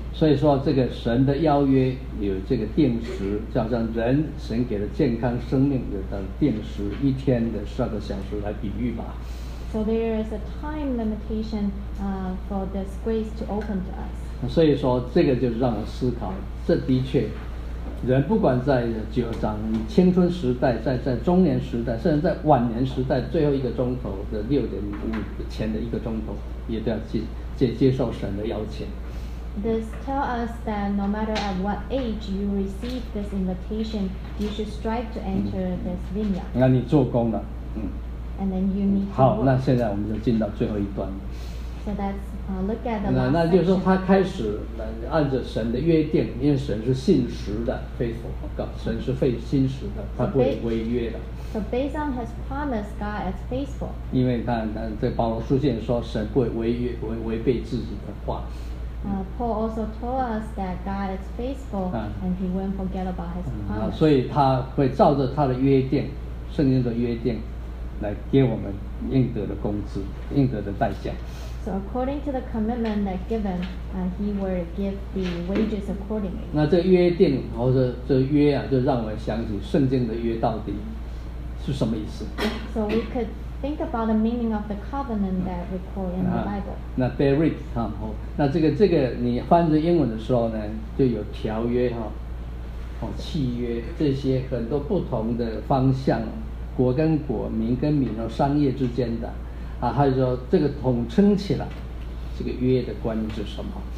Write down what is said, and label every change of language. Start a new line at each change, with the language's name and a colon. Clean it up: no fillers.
Chinese: 所以说，这个神的邀约有这个定时，就好像人神给了健康生命有的定时，一天的十二个小时来比喻吧。
English: So there is a time limitation for this grace to open to us.
Chinese: 所以说，这个就让我思考，这的确，人不管在九章青春时代，在中年时代，甚至在晚年时代，最后一个钟头的六点五前的一个钟头，也都要接受神的邀请。
English: This tells us that no matter at what age you receive this invitation, you should strive to enter this vineyard.
Chinese: 那你做工了，
English: And then you need to
Chinese: 好，那现在我们就进到最后一段。
English: So that's look at the
Chinese: 那就是他开始按着神的约定，因为神是信实的 ，faithful， 神是费心实的，他不会违约的。
English: So based on his promise, God is faithful.
Chinese: 因为他在保罗书信说，神不会违背自己的话。
English: Paul also told us that God is faithful, and he won't forget about his promise.
Chinese: 所以他会照着他的约定，圣经的约定。来给我们应得的工资，应得的代价。
English: So according to the commitment that given, he will give the wages accordingly.
Chinese: 那这约定或者这约啊，就让我想起圣经的约到底是什么意思。
English: So we could think about the meaning of the covenant that recorded in the Bible.
Chinese: 那 Berit 哈，那这个你翻译英文的时候呢，就有条约哈，契约这些很多不同的方向。国跟国，民跟民，然后商业之间的，啊，还有说这个统称起来，这个约的关是什么？